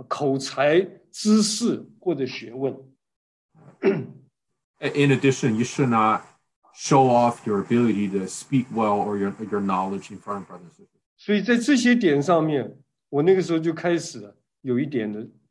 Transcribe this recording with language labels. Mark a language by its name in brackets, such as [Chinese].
[Chinese] 或者说呢，我们呢也不应该在弟兄姊妹们面前呢，这个展现自己的才华、口才、知识或者学问。 [English] In addition, you should not show off your ability to speak well or your knowledge in front of brothers and sisters. [Chinese] 所以在这些点上面，我那个时候就开始有一点的。